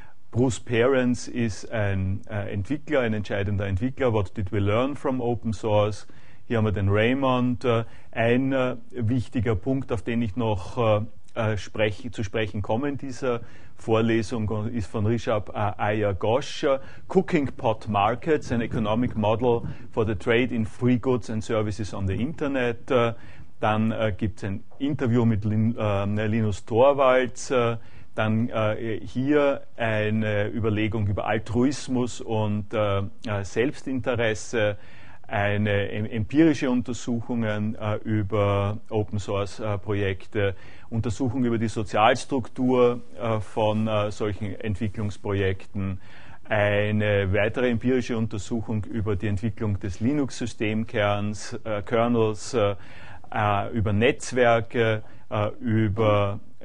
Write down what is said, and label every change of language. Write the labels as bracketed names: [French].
[German] Bruce Perens ist ein entscheidender Entwickler. [English] What did we learn from Open Source? [German] Hier haben wir den Raymond. Ein wichtiger Punkt, auf den ich noch zu sprechen komme in dieser Vorlesung, ist von Rishab Iyer-Ghosh. [English] Cooking Pot Markets, an Economic Model for the Trade in Free Goods and Services on the Internet. [German] Dann gibt es ein Interview mit Linus Torvalds. Dann hier eine Überlegung über Altruismus und Selbstinteresse, eine empirische Untersuchungen über Open Source Projekte, Untersuchung über die Sozialstruktur von solchen Entwicklungsprojekten, eine weitere empirische Untersuchung über die Entwicklung des Linux-Systemkerns, Kernels, über Netzwerke, über